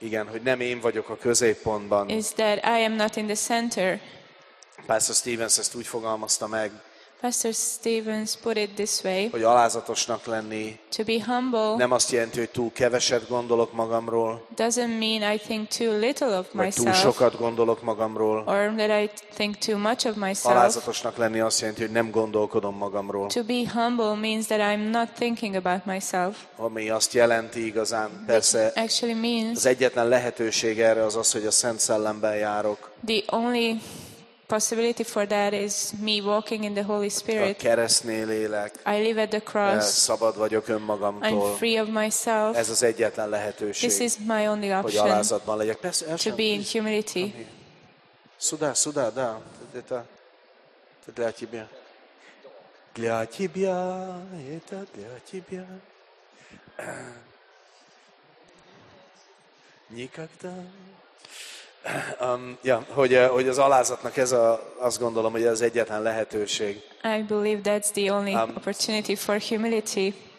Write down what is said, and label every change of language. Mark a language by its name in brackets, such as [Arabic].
[Hungarian] Hogy nem én vagyok a középpontban. [English] Is that I am not in the center. [Hungarian] Pastor Stevens ezt úgy fogalmazta meg. [English] Pastor Stevens put it this way. [Hungarian] Hogy alázatosnak lenni. [English] To be humble. [Hungarian] Nem azt jelenti, hogy túl keveset gondolok magamról. [English] Doesn't mean I think too little of myself. [Hungarian] Vagy túl sokat gondolok magamról. [English] Or that I think too much of myself. [Hungarian] Alázatosnak lenni azt jelenti, hogy nem gondolkodom magamról. [English] To be humble means that I'm not thinking about myself. [Hungarian] Ami azt jelenti igazán, persze. [English] That actually means. [Hungarian] Az egyetlen lehetőség erre az, hogy a Szent Szellemben járok. [English] The only possibility for that is me walking in the Holy Spirit. [Hungarian] A keresztnél élek. [English] I live at the cross. [Hungarian] Szabad vagyok önmagamtól. [English] I'm free of myself. [Hungarian] Ez az egyetlen lehetőség. [English] This is my only option. [Hungarian] Hogy alázatban legyek. Persze, [English] to be in humility. [Russian] Suda, da. Это для тебя. Для тебя это для тебя. Никогда. [Hungarian] Hogy az alázatnak ez a, azt gondolom, hogy ez az egyetlen lehetőség. [English] I believe that's the only opportunity for humility.